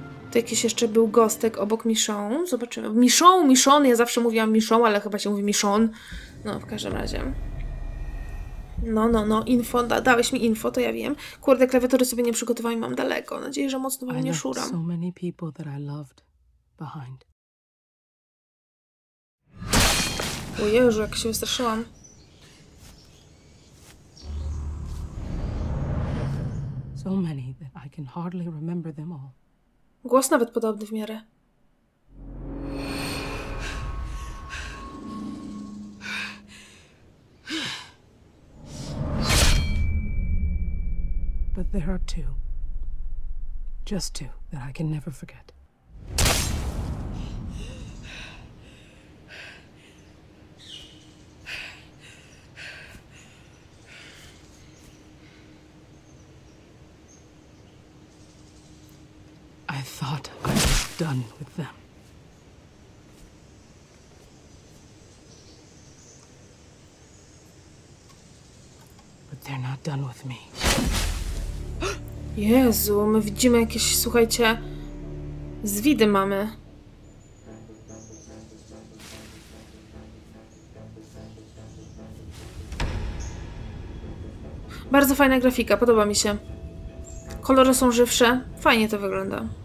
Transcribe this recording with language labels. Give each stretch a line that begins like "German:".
Polish: To jakiś jeszcze był gostek obok Michonne. Zobaczymy. Michonne, ja zawsze mówiłam Michonne, ale chyba się mówi Michonne. No, w każdym razie. No, info, dałeś mi info, to ja wiem. Kurde, klawiatury sobie nie przygotowałam i mam daleko. Nadzieję, że mocno wam nie szuram.
English: So many people that I loved behind.
Polish: O Jezu, jak się wystraszyłam.
English: So many that I can hardly remember them all.
Polish: Głos nawet podobny w miarę.
English: But there are two. Just two that I can never forget. I thought I was done with them. But they're not done with me.
Polish: Jezu, my widzimy jakieś, słuchajcie, zwidy mamy. Bardzo fajna grafika, podoba mi się. Kolory są żywsze, fajnie to wygląda.